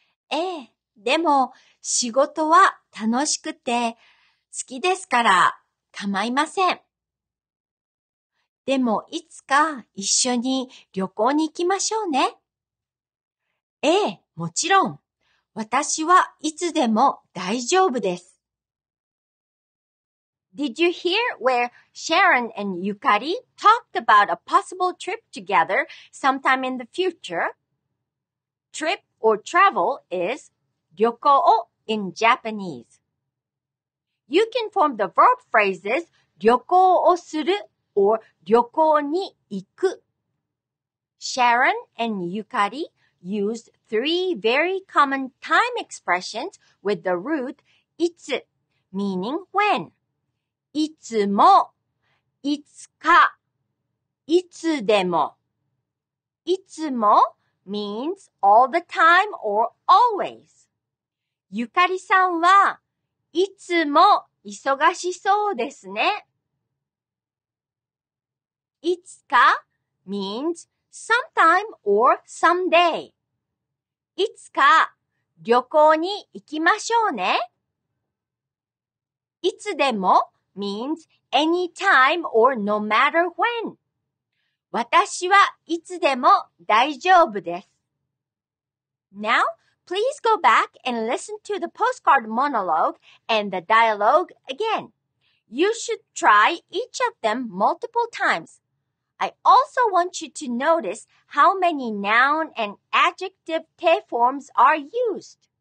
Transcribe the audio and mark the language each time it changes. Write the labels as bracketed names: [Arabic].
[Japanese] ええ、でも仕事は楽しくて好きですから構いません。でもいつか一緒に旅行に行きましょうね。ええ、もちろん。私はいつでも大丈夫です。 [English] Did you hear where Sharon and Yukari talked about a possible trip together sometime in the future? Trip or travel is 旅行 in Japanese. You can form the verb phrases [Japanese] 旅行をする or 旅行に行く。 [English] Sharon and Yukari used three very common time expressions with the root いつ meaning when. [Japanese] いつも、いつか、いつでも。 [English] いつも means all the time or always. [Japanese] ゆかりさんはいつも忙しそうですね。 [English] いつか means sometime or someday. [Japanese] いつか旅行に行きましょうね。 [English] いつでも means anytime or no matter when. [Japanese] 私はいつでも大丈夫です。 [English] Now, please go back and listen to the postcard monologue and the dialogue again. You should try each of them multiple times. I also want you to notice how many noun and adjective te forms are used.